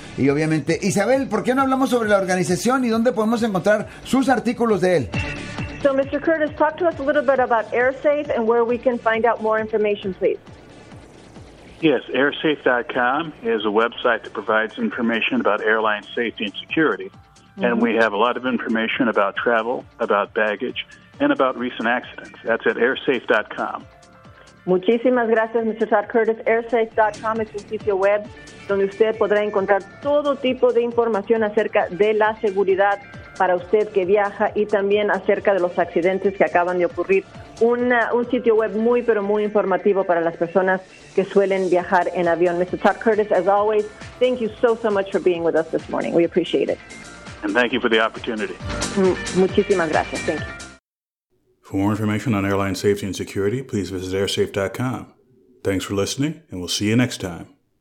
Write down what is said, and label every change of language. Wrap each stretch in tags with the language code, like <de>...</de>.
<es>Y obviamente, Isabel, ¿por qué no hablamos sobre la organización y dónde podemos encontrar sus artículos de él?</es> <en>So, Mr. Curtis, talk to us a little bit about AirSafe and where we can find out more information, please. Yes, airsafe.com is a website that provides information about airline safety and security. Mm-hmm. And we have a lot of information about travel, about baggage, and about recent accidents. That's at airsafe.com.</en> <es>Muchísimas gracias, Mr. Todd Curtis. Airsafe.com is un sitio web donde usted podrá encontrar todo tipo de información acerca de la seguridad para usted que viaja y también acerca de los accidentes que acaban de ocurrir. Un sitio web muy, pero muy informativo para las personas que suelen viajar en avión.</es> <en>Mr. Todd Curtis, as always, thank you so, so much for being with us this morning. We appreciate it. And thank you for the opportunity.</en> <es>Muchísimas gracias.</es> <en>Thank you. For more information on airline safety and security, please visit airsafe.com. Thanks for listening, and we'll see you next time.</en>